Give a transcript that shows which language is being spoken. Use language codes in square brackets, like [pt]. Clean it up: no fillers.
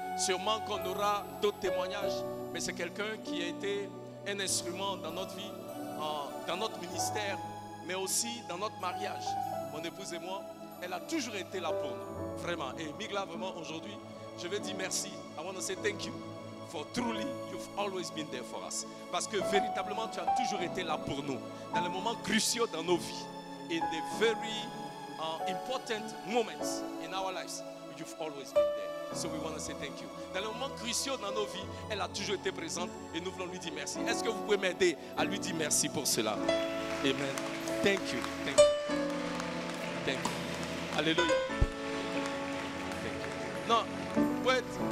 [fr] Sûrement qu'on aura d'autres témoignages, mais c'est quelqu'un qui a été un instrument dans notre vie, dans notre ministère, mais aussi dans notre mariage. Mon épouse et moi, elle a toujours été là pour nous, vraiment. Et Migla, vraiment, aujourd'hui, je veux dire merci. [en] I want to say thank you for truly you've always been there for us. [fr] Parce que véritablement, tu as toujours été là pour nous, dans les moments cruciaux dans nos vies. [en] In the very important moments in our lives, you've always been there. So we want to say thank you. [fr] Dans les moments cruciaux dans nos vies, elle a toujours été présente et nous voulons lui dire merci. Est-ce que vous pouvez m'aider à lui dire merci pour cela? [en] Amen. Thank you. Thank you. Thank you. Alléluia. Thank you. Non, wait.